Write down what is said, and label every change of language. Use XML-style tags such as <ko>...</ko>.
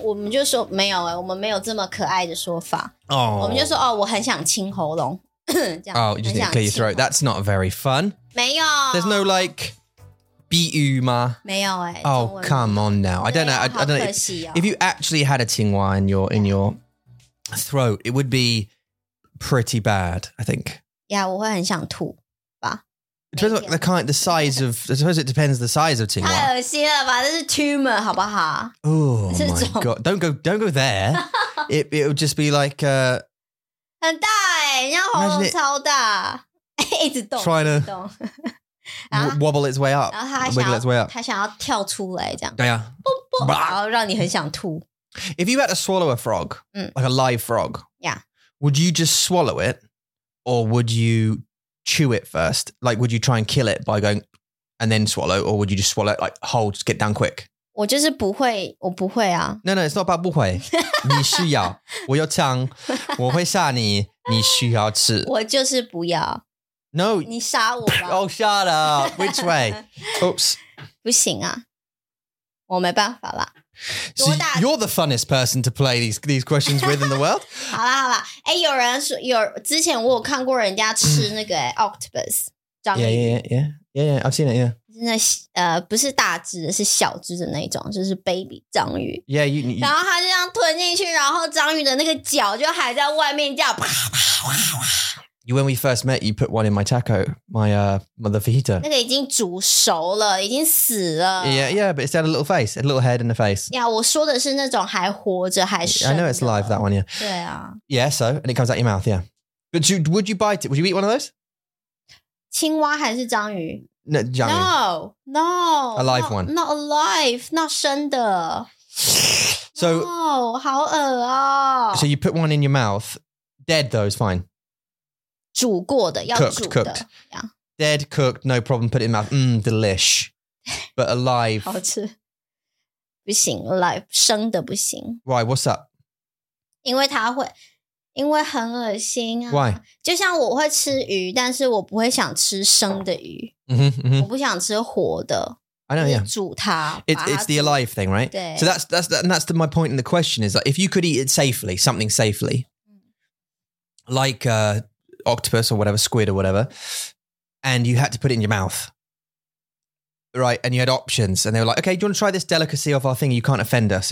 <zh>我们就说没有耶。我们没有这么可爱的说法。</zh> <en>Oh.</en> <zh>我们就说哦，我很想清喉咙。</zh> <en>Oh, you just need to clear your throat. That's not very fun.</en> <zh>没有。</zh> <en>There's no like...</en> <zh>比喻吗？没有哎、</zh> <en>欸。Oh, come on now. I don't know. I don't know. If you actually had a 青蛙in your throat, it would be pretty bad, I think.</en> <zh>Yeah, 我会很想吐吧。</zh> <en>It depends on the size of, I suppose it depends the size of 青蛙。</en> <zh>太恶心了吧，这是 tumor, 好不好？</zh> <en>Oh my god, don't go there. it would just be like,</en> <zh>很大哎、欸，人家喉咙超大，一直动。</zh> <en>Trying to... wobble its way up, wiggle its way up.</en> <zh>他想要跳出来这样。对呀、啊。然后让你很想吐。</zh> <en>If you had to swallow a frog,、like a live frog, would you just swallow it or would you chew it first? Like, would you try and kill it by going and then swallow or would you just swallow it like, hold, just get down quick?</en> <zh>我就是不会,我不会啊。</zh> <en>No, it's not about</en> <zh>不会。你需要,我有枪,我会杀你,你需要吃。我就是不要。</zh> <en>No.</en> <zh>你杀我吧。</zh> <en>Oh, shut up. Which way? Oops.</en> <zh>不行啊。我没办法啦。</zh> <en>So you're the funnest person to play these questions with in the world.</en> <zh>好啦好啦。欸有人说有之前我有看过人家吃那个、octopus, 章鱼。</zh> <en>Yeah. I've seen it, yeah.</en> <zh>是那不是大只是小只的那种就是 baby 章鱼。</zh> <en>Yeah, you</en> <zh>然后他就这样吞进去然后章鱼的那个脚就还在外面叫啪啪啪啪。</zh> <en>When we first met, you put one in my taco, my mother fajita.</en> <zh>那个已经煮熟了，已经死了。</zh> <en>Yeah, but it's had a little face, a little head and a face.</en> <zh>Yeah, 我说的是那种还活着还生的。</zh> <en>I know it's live, that one, yeah.</en> <zh>对啊。</zh> <en>Yeah, so, and it comes out your mouth, yeah. But would you bite it? Would you eat one of those?</en> <zh>青蛙还是章鱼?</zh> <en>No, 章鱼。 No, no. A live one. Not alive, not</en> <zh>生的。</zh> <en>So,</en> <zh>no, 好恶啊。</zh> <en>So you put one in your mouth, dead though, is fine.</en> <zh>煮过的要煮的</zh> <en>cooked. Dead cooked, no problem, put it in mouth. Delish. But alive.</en> <zh>好吃。不行 alive, 生的不行。</zh> <en>Why, what's up?</en> <zh>因为它会因为很恶心啊。</zh> <en>Why?</en> <zh>就像我会吃鱼但是我不会想吃生的鱼。 Mm-hmm. 我不想吃活的。</zh> <en>I know, yeah.</en> <zh>煮它。</zh> <en>It's the alive thing, right?</en> <zh>对。</zh> <en>So that's my point in the question is that if you could eat it safely, something safely, octopus or whatever, squid or whatever, and you had to put it in your mouth, right? And you had options, and they were like, okay, do you want to try this delicacy of our thing? You can't offend us.</en>